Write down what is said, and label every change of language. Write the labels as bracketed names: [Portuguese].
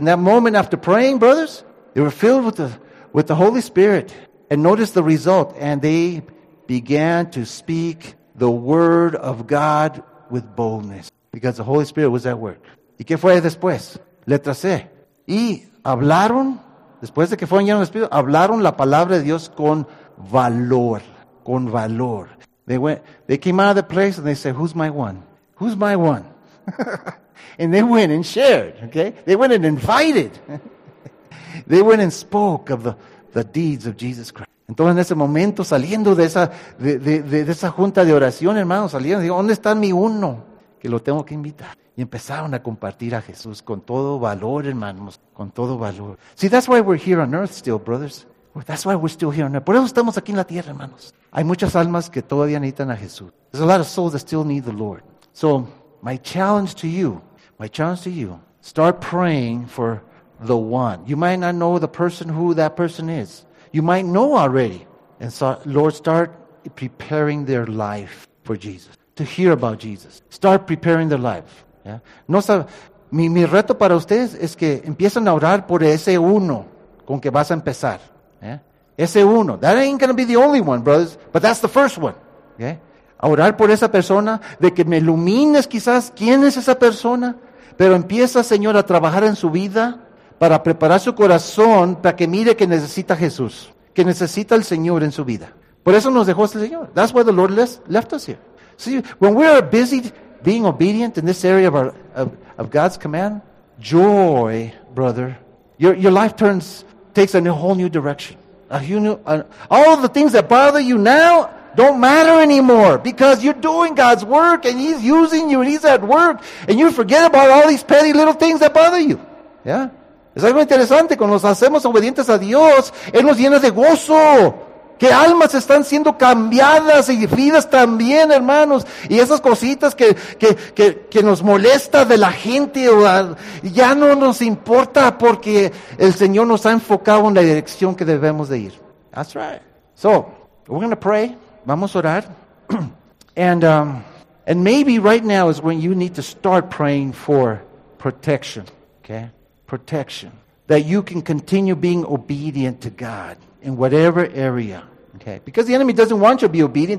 [English] In that moment after praying, brothers, they were filled with the Holy Spirit. And notice the result. And they began to speak the word of God with boldness, because the Holy Spirit was at work. [Spanish] ¿Y qué fue después? Letra C. Y hablaron, después de que fueron llenos del Espíritu, hablaron la palabra de Dios con valor, con valor. [English] They came out of the place and they said, who's my one? Who's my one? And they went and shared, okay? They went and invited. They went and spoke of the deeds of Jesus Christ. [Spanish] Entonces, en ese momento, saliendo de esa junta de oración, hermanos, salieron y dijeron, ¿dónde está mi uno? Que lo tengo que invitar. Y empezaron a compartir a Jesús con todo valor, hermanos, con todo valor. [English] See, that's why we're here on earth still, brothers. That's why we're still here on earth. [Spanish] Por eso estamos aquí en la tierra, hermanos. Hay muchas almas que todavía necesitan a Jesús. [English] There's a lot of souls that still need the Lord. So, my challenge to you, start praying for the one. You might not know the person who that person is. You might know already. And so, Lord, start preparing their life for Jesus. To hear about Jesus. Start preparing their life. Yeah? [Spanish] No, mi reto para ustedes es que empiecen a orar por ese uno con que vas a empezar. Yeah? Ese uno. [English] That ain't going to be the only one, brothers. But that's the first one. Yeah? [Spanish] A orar por esa persona, de que me ilumines quizás quién es esa persona. Pero empieza, Señor, a trabajar en su vida. Para preparar su corazón para que mire que necesita a Jesús, que necesita al Señor en su vida. Por eso nos dejó el Señor. [English] That's why the Lord left us here. See, when we are busy being obedient in this area of God's command, joy, brother, your life takes a whole new direction. All the things that bother you now don't matter anymore because you're doing God's work and He's using you and He's at work and you forget about all these petty little things that bother you. [Spanish] Yeah? Es algo interesante, cuando nos hacemos obedientes a Dios, Él nos llena de gozo, Que almas están siendo cambiadas y vidas también, hermanos. Y esas cositas que nos molesta de la gente, ya no nos importa porque el Señor nos ha enfocado en la dirección que debemos de ir. [English] That's right. So, we're going to pray. [Spanish] Vamos a orar. [English] And maybe right now is when you need to start praying for protection. Okay? Protection. That you can continue being obedient to God in whatever area. Okay, because the enemy doesn't want you to be obedient.